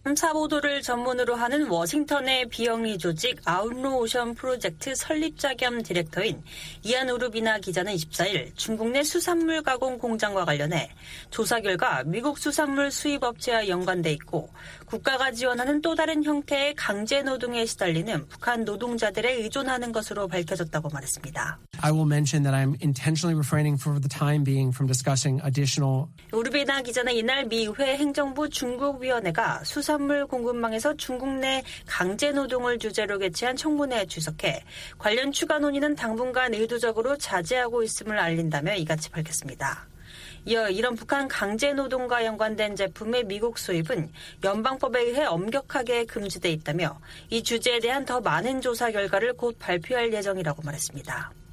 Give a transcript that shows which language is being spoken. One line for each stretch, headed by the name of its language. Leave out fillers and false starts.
Korean: 3차 보도를 전문으로 하는 워싱턴의 비영리 조직 아웃로 오션 프로젝트 설립자 겸 디렉터인 이안 우르비나 기자는 24일 중국 내 수산물 가공 공장과 관련해 조사 결과 미국 수산물 수입 업체와 연관돼 있고 국가가 지원하는 또 다른 형태의 강제 노동에 시달리는 북한 노동자들에 의존하는 것으로 밝혀졌다고 말했습니다.
English: I will mention that I'm intentionally refraining for the time being from discussing additional.
Korean: 우르비나 기자는 이날 미 의회 행정부 중국위원회가 수산물 공급망에서 중국 내 강제 노동을 주제로 개최한 청문회에 출석해 관련 추가 논의는 당분간 의도적으로 자제하고 있음을 알린다며 이같이 밝혔습니다. 이어 이런 북한 강제노동과 연관된 제품의 미국 수입은 연방법에 의해 엄격하게 금지돼 있다며 이 주제에 대한 더 많은 조사 결과를 곧 발표할 예정이라고 말했습니다.